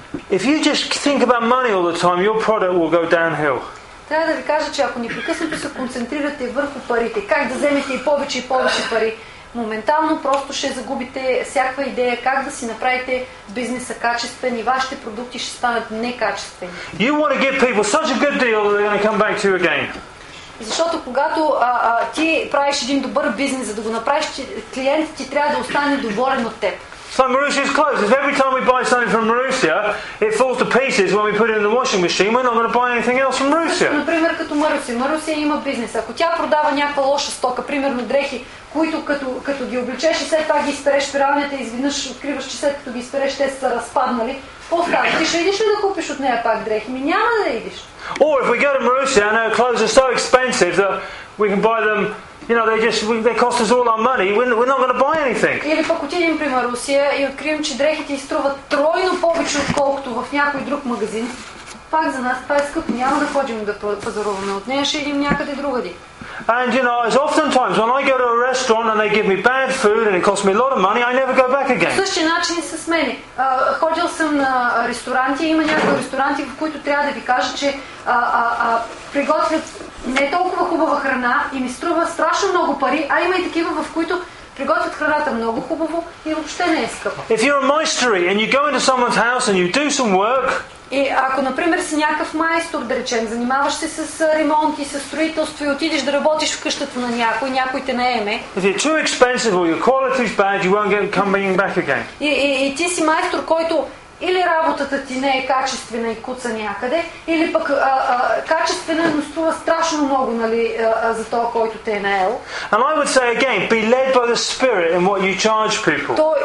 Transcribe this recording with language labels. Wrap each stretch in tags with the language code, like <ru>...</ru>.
<en>If you just think about money all the time, your product will go downhill.</en> <bg>Трябва да ви кажа, че ако непрекъснато се концентрирате върху парите, как да вземете и повече пари, моментално просто ще загубите всякаква идея как да си направите бизнеса качествен и вашите продукти ще станат некачествени.</bg> <en>You want to give people such a good deal that they're going to come back to you again.</en> <bg>Защото когато ти правиш един добър бизнес, за да го направиш, клиентът ти трябва да остане доволен от теб.</bg> <en>So Marussia's clothes. If every time we buy something from Marussia, it falls to pieces when we put it in the washing machine, we're not going to buy anything else from Marussia.</en> <bg>Например, като Marussia. Marussia има бизнес. Ако тя продава някаква лоша стока, примерно дрехи, които като ги обличеш и след това ги изпереш в пиралнята и изведнъж откриваш, че след като ги изпереш, те са разпаднали, по-скоро ти ще идиш ли да купиш от нея пак дрехи? Ми няма да идиш.</bg> <en>Or if we go to Marussia and her clothes are so expensive that we can buy them, you know, they cost us all our money, we're not going to buy anything.</en> <bg>Или пък отидем при Марусия и открием, че дрехите изтруват тройно повече, отколкото в някой друг магазин. Пак за нас това е скъпо, няма да ходим да пазаруваме от нея, ще идем някъде другаде.</bg> <en>And you know, as oftentimes when I go to a restaurant and they give me bad food and it costs me a lot of money, I never go back again.</en> <bg>Същия начин с мен. Ходил съм на ресторанти, има някои ресторанти, в които трябва да ви кажа, че приготвят не толкова хубава храна и ми струва страшно много пари, а има и такива, в които приготвят храната много хубаво и въобще не е скъпо.</bg> <en>If you're a maestro and you go into someone's house and you do some work.</en> <bg>И ако, например, си някакъв майстор, да речем, занимаваш се с ремонт и с строителство и отидеш да работиш в къщата на някой те наеме.</bg> <en>If you're too expensive or your quality's bad, you won't come back again.</en> <bg>И ти си майстор, който или работата ти не е качествена и куца някъде, или пък качествена, но струва страшно много, нали, за това, който те е наел.</bg> <en>And I would say again, be led by the spirit in what you charge people.</en>